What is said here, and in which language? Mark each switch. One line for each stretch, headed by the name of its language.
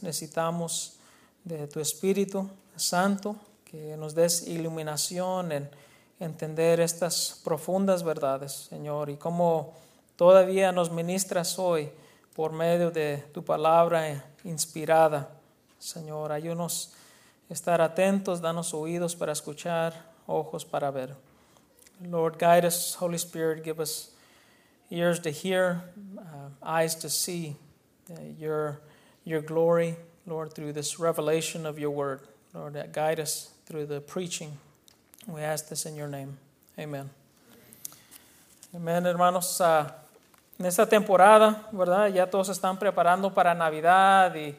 Spanish: Necesitamos de tu Espíritu Santo, que nos des iluminación en entender estas profundas verdades, Señor, y cómo todavía nos ministras hoy por medio de tu palabra inspirada. Señor, ayúdanos a estar atentos, danos oídos para escuchar, ojos para ver.
English: Lord, guide us, Holy Spirit, give us ears to hear, eyes to see your glory, Lord, through this revelation of your word. Lord, guide us through the preaching. We ask this in your name. Amen. Amen, hermanos.
Spanish: En esta temporada, ¿verdad? Ya todos están preparando para Navidad.